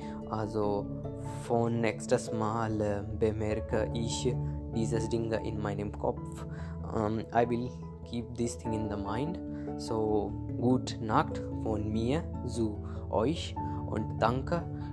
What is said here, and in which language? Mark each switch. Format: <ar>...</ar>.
<de>Also von nächstes Mal bemerke ich dieses Ding in meinem Kopf.</de> <en>I will keep this thing in the mind.</en> <de>So gute Nacht von mir zu euch und danke.</de>